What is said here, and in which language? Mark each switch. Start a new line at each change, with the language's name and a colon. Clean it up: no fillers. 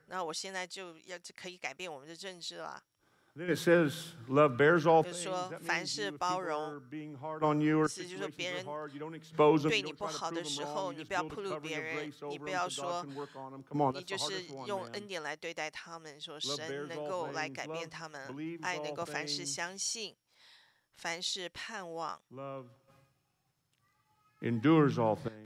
Chinese: 那我现在就要可以改变我们的政治了。
English: Then it says, love bears all things.
Chinese: 说凡事包容。
English: Being hard on you or situations are hard, you don't expose them.
Chinese: 对你不好的时候，你不要暴露别人，你不要说，你就是用恩典来对待他们，说神能够来改变他们，爱能够凡事相信，凡事盼望。
English: Love endures all things.